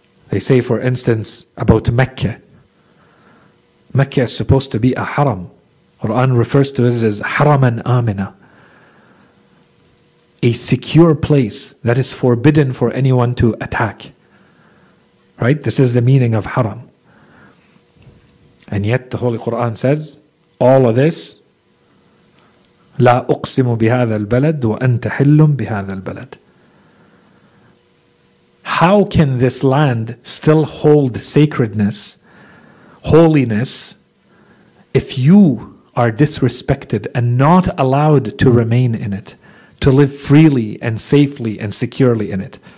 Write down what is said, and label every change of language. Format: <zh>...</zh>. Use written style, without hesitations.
<en>They say, for instance, about Mecca. Mecca is supposed to be a haram. Quran refers to this as haraman amina. A secure place that is forbidden for anyone to attack. Right? This is the meaning of haram. And yet the Holy Quran says, all of this,</en> <ar>لا أقسم بهذا البلد وأنت حل بهذا البلد.</ar> <en>How can this land still hold sacredness, holiness, if you are disrespected and not allowed to remain in it, to live freely and safely and securely in it?</en>